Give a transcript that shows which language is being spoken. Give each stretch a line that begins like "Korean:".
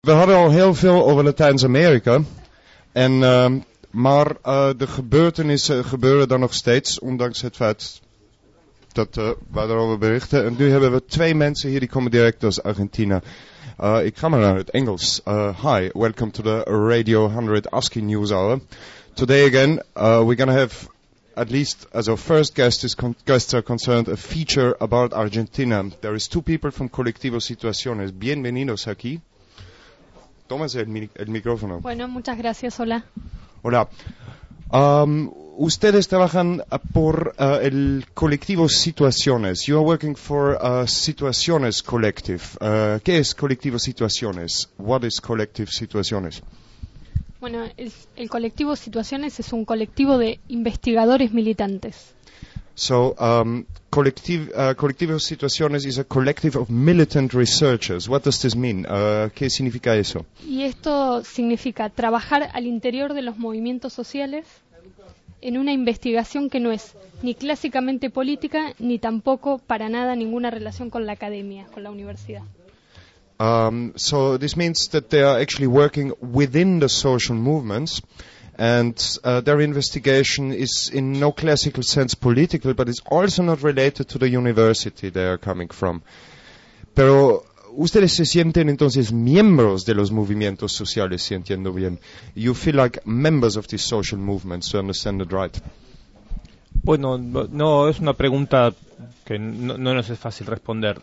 Dutch: We hadden al heel veel over Latijns-Amerika. Maar de gebeurtenissen gebeuren dan nog steeds, ondanks het feit dat we daarover berichten. En nu hebben we twee mensen hier, die komen direct uit Argentina. Ik ga maar naar het Engels.
English: Hi, welcome to the Radio 100 ASCII News Hour. Today again, we're going to have, at least as our first guest is guests are concerned, a feature about Argentina. There is two people from Colectivo Situaciones.
Spanish: Bienvenidos aquí. Tómese el micrófono. Bueno, muchas gracias. Hola. Hola. Ustedes trabajan por el colectivo Situaciones.
English: You are working for Situaciones Collective.
Spanish: ¿Qué es colectivo Situaciones?
English: What is Collective Situaciones?
Spanish: Bueno, el colectivo Situaciones es un colectivo de investigadores militantes.
English: So, colectivo Situaciones is a collective of militant researchers. What does this mean?
Spanish: ¿Qué significa eso? Y esto significa trabajar al interior de los movimientos sociales en una investigación que no es ni clásicamente política ni tampoco para nada ninguna relación con la academia, con la universidad.
English: So this means that they are actually working within the social movements. And their investigation is in no classical sense political, but it's also not related to the university they are coming from.
Spanish: Pero ustedes se sienten entonces miembros de los movimientos sociales, si entiendo bien.
English: You feel like members of these social movements, to understand it right.
Spanish: Bueno, no, es una pregunta que no nos es fácil responder.